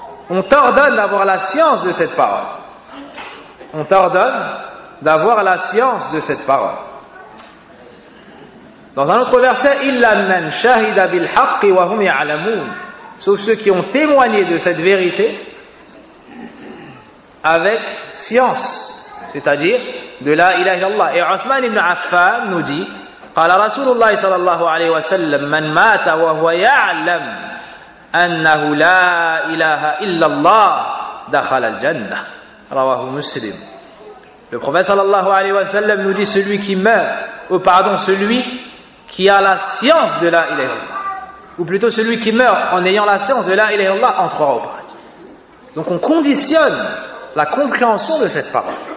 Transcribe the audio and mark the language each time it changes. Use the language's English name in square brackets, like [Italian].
[French] On t'ordonne d'avoir la science de cette parole. On t'ordonne d'avoir la science de cette parole. Dans un autre verset, [Arabic] illa man shahida bil haqqi wa hum ya'lamun. [French] Sauf ceux qui ont témoigné de cette vérité avec science, c'est-à-dire de la ilaha illallah. Et Uthman ibn Affan nous dit, [Arabic] قال رسول الله صلى الله عليه وسلم من مات وهو يعلم أنه لا إله إلا الله دخل الجنة رواه مسلم. [French] Le prophète sallallahu alayhi wa sallam nous dit celui qui meurt, ou pardon, celui qui a la science de la ilaha illallah, ou plutôt celui qui meurt en ayant la science de la ilaha illallah, entrera au paradis. Donc on conditionne la compréhension de cette parole.